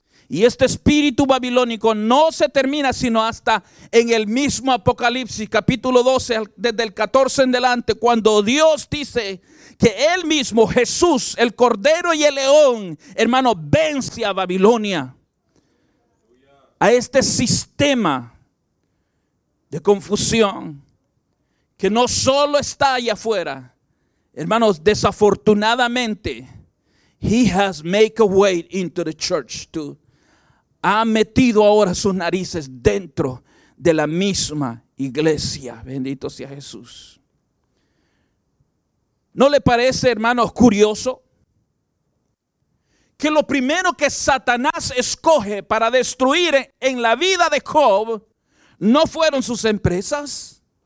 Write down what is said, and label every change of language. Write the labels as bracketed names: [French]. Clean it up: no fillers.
[Spanish] Y este espíritu babilónico no se termina sino hasta en el mismo Apocalipsis, capítulo 12, desde el 14 en adelante, cuando Dios dice que Él mismo, Jesús, el Cordero y el León, hermano, vence a Babilonia, a este sistema de confusión que no solo está allá afuera. Hermanos, desafortunadamente, [English] He has made a way into the church too. [Spanish] Ha metido ahora sus narices dentro de la misma iglesia. Bendito sea Jesús. ¿No le parece, hermanos, curioso que lo primero que Satanás escoge para destruir en la vida de Job no fueron sus empresas?